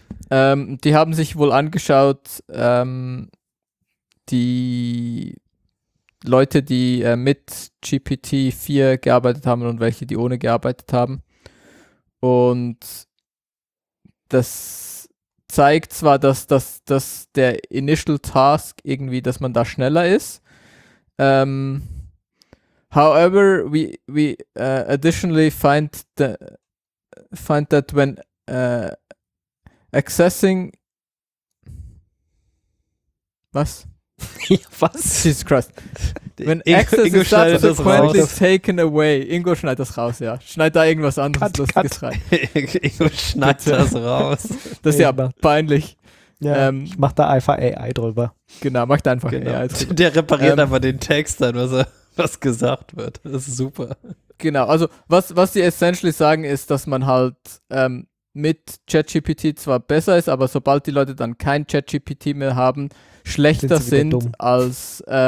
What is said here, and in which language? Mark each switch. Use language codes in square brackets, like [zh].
[de] Die haben sich wohl angeschaut, die Leute, die mit GPT-4 gearbeitet haben und welche, die ohne gearbeitet haben. Und das zeigt zwar, dass der Initial Task irgendwie, dass man da schneller ist. [en] However, we additionally find that when accessing, [de] was? Was? [en] Jesus Christ. When access is subsequently taken away. [de] Ingo schneidet das raus, ja. Schneid da irgendwas anderes lustiges rein. Ingo schneidet das raus. Das ist ja aber peinlich. Ja, ich mach da einfach AI drüber. Genau, mach da einfach AI drüber. Der repariert einfach den Text dann, was gesagt wird. Das ist super. Genau, also was sie essentially sagen ist, dass man halt mit ChatGPT zwar besser ist, aber sobald die Leute dann kein ChatGPT mehr haben, schlechter sind als